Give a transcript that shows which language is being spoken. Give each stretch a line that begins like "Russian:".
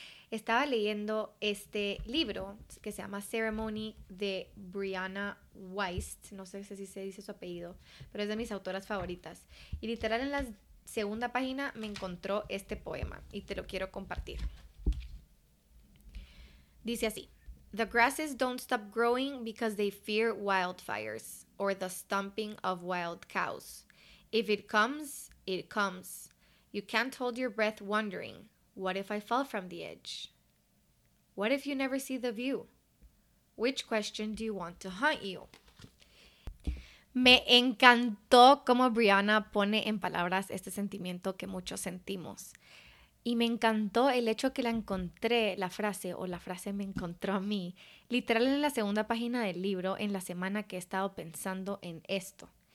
Spanish: Estaba leyendo este libro que se llama Ceremony de Brianna Weist, no sé si se dice su apellido, pero es de mis autoras favoritas. Y literal en la segunda página me encontró este poema y te lo quiero compartir. Dice así:
English: The grasses don't stop growing because they fear wildfires or the stomping of wild cows. If it comes, it comes. You can't hold your breath wondering. What if I fall from the edge? What if you never see the view? Which question do you want to haunt you?
Spanish: Me encantó cómo Brianna pone en palabras este sentimiento que muchos sentimos. Y me encantó el hecho que la encontré, la frase me encontró a mí, literal en la segunda página del libro, en la semana que he estado pensando en esto.